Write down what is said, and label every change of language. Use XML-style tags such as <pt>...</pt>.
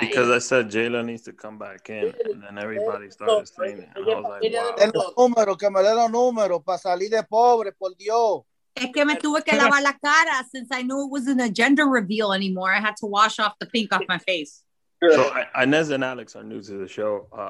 <en>Because I said Jayla needs to come back in, and then everybody started saying it. And I was like, wow.</en> <es>El número, que me dieron número para salir de pobre, por Dios.</es> <en>Es que me tuve que lavar la cara since I knew it wasn't a gender reveal anymore. I had to wash off the pink off my face. So Inez and Alex are new to the show.</en>